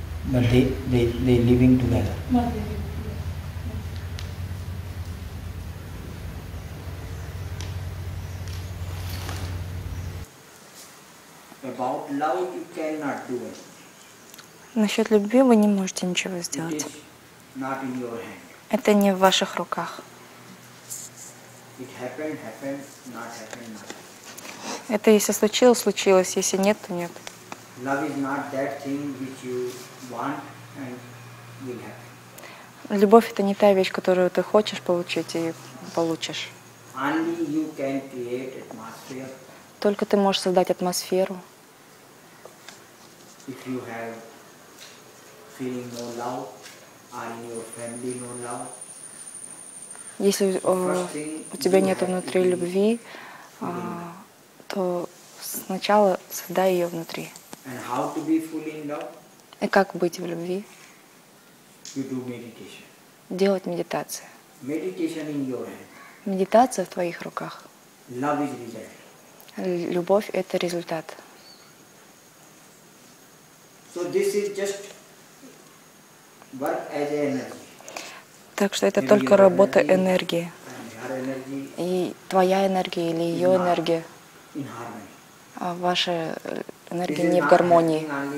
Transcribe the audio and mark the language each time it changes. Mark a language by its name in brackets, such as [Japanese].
[English] But they living together. Not living. About love you cannot do it. [Russian] Насчет любви вы не можете ничего сделать. [English] Not in your hand. [Russian] Это не в ваших руках. [English] It happened, happened, not happened, not. [Russian] Это если случилось, случилось. Если нет, то нет. [English] Love is not that thing which you want and will happen. [Russian] Любовь — это не та вещь, которую ты хочешь получить и получишь. [English] Only you can create atmosphere. [Russian] Только ты можешь создать атмосферу. [English] If you have feeling no love, or in your family no love, [Russian] если у тебя нет внутри любви, то сначала создай ее внутри. [English] And how to be fully in love? [Russian] И как быть в любви? [English] You do meditation. [Russian] Делать медитацию. [English] Meditation in your hand. [Russian] Медитация в твоих руках. [English] Love is result. [Russian] Любовь — это результат. [English] So this is just work as energy. [Russian] Так что это [English] maybe [Russian] только работа энергии. [English] Energy, [Russian] и твоя энергия или ее энергия. А ваша энергия не в гармонии.